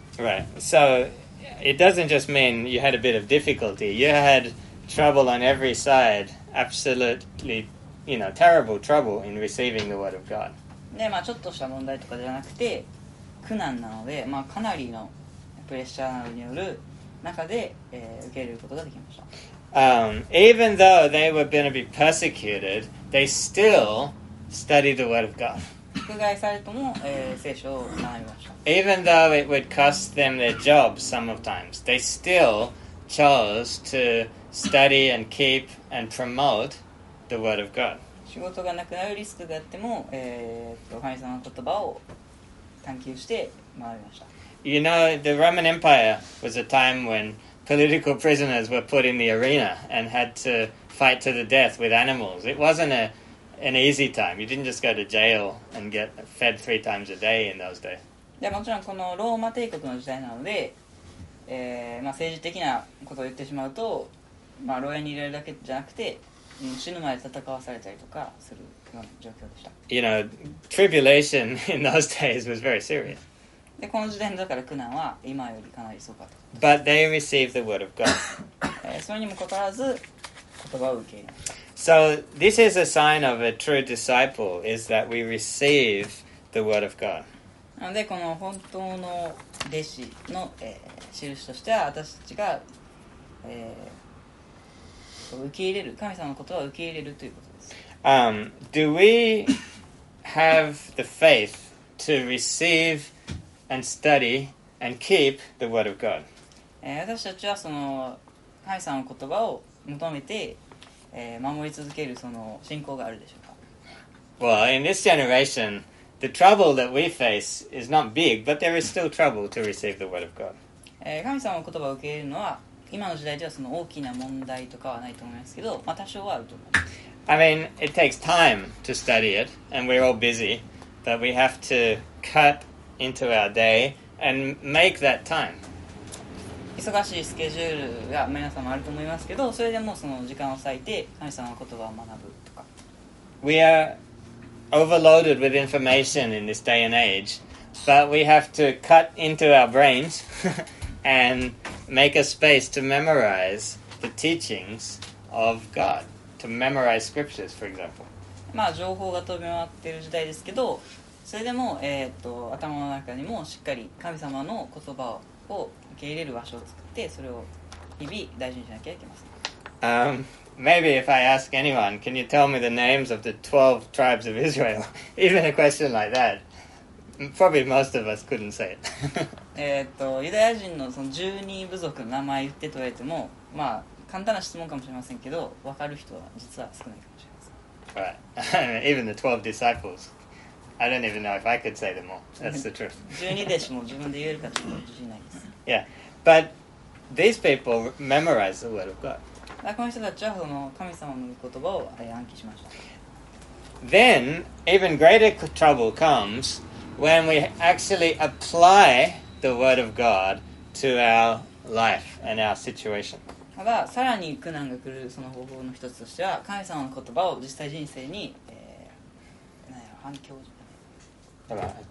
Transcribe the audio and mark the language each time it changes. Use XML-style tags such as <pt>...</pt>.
<en>Right, so it doesn't just mean you had a bit of difficulty. You had trouble on every side, absolutely, you know, terrible trouble in receiving the word of God.</en> <ja>で、まあ、ちょっとした問題とかじゃなくて、苦難なので、まあ、かなりのプレッシャーによる中で、受け入れることができました。</ja> <en>Even though they were going to be persecuted, they still studied the word of God.</en> <ja>迫害されても、聖書を学びました。</ja> <en>Even though it would cost them their jobs sometimes, they still chose to study and keep and promote the word of God.</en> <ja>仕事がなくなるリスクがあっても、神様の言葉を探求して学びました。</ja> <en>You know, the Roman Empire was a time when political prisoners were put in the arena and had to fight to the death with animals. It wasn't an easy time. You didn't just go to jail and get fed three times a day in those days.</en> <ja>いや、もちろんこのローマ帝国の時代なので、まあ、政治的なことを言ってしまうと、まあ、牢屋に入れるだけじゃなくて、死ぬまで戦わされたりとかするような状況でした。</ja> <en>You know, tribulation in those days was very serious.</en> <ja>でこの時点だから苦難は今よりかなりすごかった。</ja> <en>But they received the word of God.</en> <ja>それにもかかわらず言葉を受け入れました。</ja> <en>So this is a sign of a true disciple, is that we receive the word of God.</en> <ja>なのでこの本当の弟子の、印としては私たちが、受け入れる、神様の言葉を受け入れるということです。</ja> <en>Do we have the faith to receiveand study and keep the word of God.</en> <ja>私たちはその神様の言葉を求めて、守り続けるその信仰があるでしょうか?</ja> <en>Well, in this generation, the trouble that we face is not big, but there is still trouble to receive the word of God.</en> <ja>神様の言葉を受け入れるのは今の時代ではその大きな問題とかはないと思いますけど、まあ、多少はあると思います。</ja> <en>I mean, it takes time to study it, and we're all busy, but we have to cut... into our day and make that time.</en> <ja>忙しいスケジュールが皆さんもあると思いますけど、それでもその時間を割いて神様の言葉を学ぶとか。</ja> <en>We are overloaded with information in this day and age, but we have to cut into our brains and make a space to memorize the teachings of God, to memorize scriptures, for example.</en> <ja>まあ情報が飛び回っている時代ですけど。それでも、頭の中にもしっかり神様の言葉を受け入れる場所を作って、それを日々大事にしなきゃいけません。</ja> <en>Maybe if I ask anyone, can you tell me the names of the 12 tribes of Israel? Even a question like that, probably most of us couldn't say it.</en> <ja>ユダヤ人のその12部族の名前言ってと言われても、まあ簡単な質問かもしれませんけど、分かる人は実は少ないかもしれません。</ja> <en>Right. Even the 12 disciples. I don't even know if I could say them all. That's the truth.</en> <ja>12弟子も自分で言えるかちょっと自信ないです。</ja> <en>Yeah, but these people memorize the word of God.</en> <ja>この人たちはその神様の言葉を暗記しました。</ja> <en>Then, even greater trouble comes when we actually apply the word of God to our life and our situation.</en> <ja>ただ、さらに苦難が来るその方法の一つとしては、神様の言葉を実際人生に、反響する。</ja>